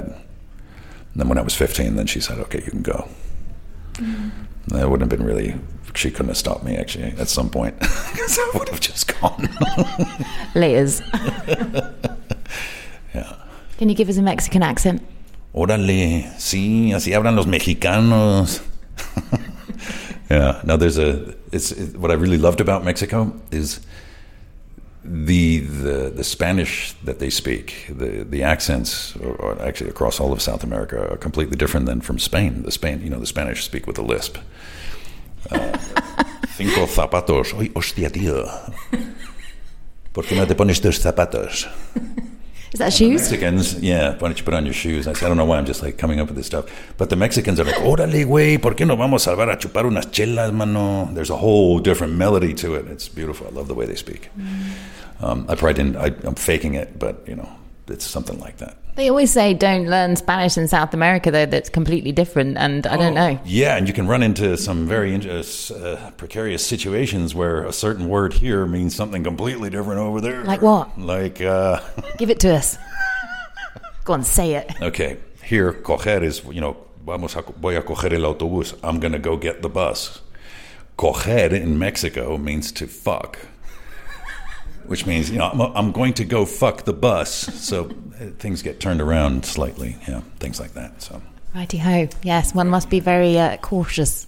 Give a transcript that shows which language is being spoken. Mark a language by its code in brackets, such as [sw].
[en] And then when I was 15, then she said, okay, you can go. Mm-hmm. That wouldn't have been really... She couldn't have stopped me, actually, at some point. Because I would have just gone. Layers. Yeah. Can you give us a Mexican accent? [es] Órale. Sí, así hablan los mexicanos. [en] Yeah. Now, there's a... what I really loved about Mexico is the Spanish that they speak, the accents, or actually across all of South America, are completely different than from Spain. The Spanish speak with a lisp. [es] cinco zapatos. Oy, hostia, tío. ¿Por qué no te pones tus zapatos? [en] Is that shoes? Mexicans, yeah, why don't you put on your shoes? I said, I don't know why, I'm just like coming up with this stuff. But the Mexicans are like, [es] órale, güey, ¿por qué no vamos a salvar a chupar unas chelas, mano? [en] There's a whole different melody to it. It's beautiful. I love the way they speak. I probably didn't, I'm faking it, but, you know, it's something like that. They always say don't learn Spanish in South America, though, that's completely different, and I don't know. Yeah, and you can run into some very precarious situations where a certain word here means something completely different over there. Like what? Like, give it to us. Go on, say it. Okay, here, coger is, you know, [es] voy a coger el autobús. [en] I'm going to go get the bus. Coger in Mexico means to fuck. Which means, you know, I'm going to go fuck the bus. So things get turned around slightly, yeah, things like that. So righty-ho, yes, one must be very cautious.